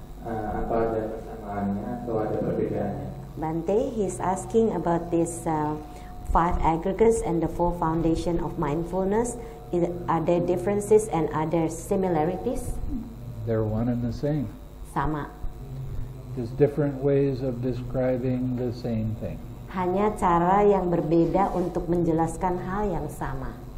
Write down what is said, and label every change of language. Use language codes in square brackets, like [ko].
[id] Apa ada persamaannya atau ada perbedaannya? [en] Bante, he's asking about this 5 aggregates and the 4 foundation of mindfulness. Are there differences and are there similarities? They're one and the same. [id] Sama. [en] There's different ways of describing the same thing. [id] Hanya cara yang berbeda untuk menjelaskan hal yang sama.